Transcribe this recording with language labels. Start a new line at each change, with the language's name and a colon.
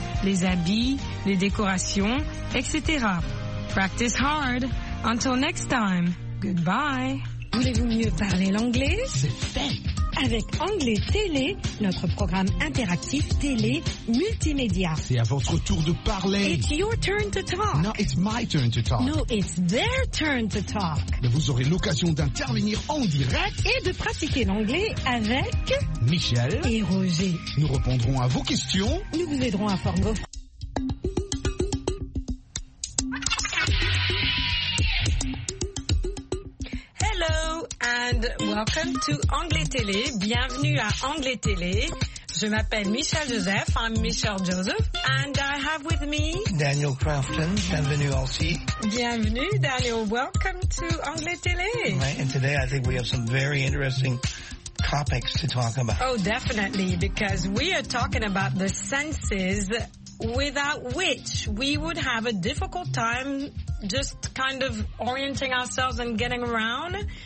French: Les habits, les décorations, etc.
English: Practice hard. Until next time. Goodbye.
French: Voulez-vous mieux parler l'anglais? C'est fait. Avec Anglais Télé, notre programme interactif télé multimédia. C'est à votre tour de parler.
English: It's your turn to talk. No, it's my turn to talk. No, it's their turn to talk.
French: Mais vous aurez l'occasion d'intervenir en direct. Et de pratiquer l'anglais avec... Michel. Et Roger. Nous répondrons à vos questions. Nous vous aiderons à former vos...
English: And welcome to Anglais Télé.
French: Bienvenue à Anglais Télé. Je m'appelle Michel Joseph.
English: I'm Michel Joseph. And I have with me...
French: Daniel Crafton. Bienvenue aussi. Bienvenue, Daniel.
English: Welcome to Anglais Télé. Right, and today I think we have some very interesting topics to talk about. Oh, definitely, because we are talking about the senses without which we would have a difficult time just kind of orienting ourselves and getting around.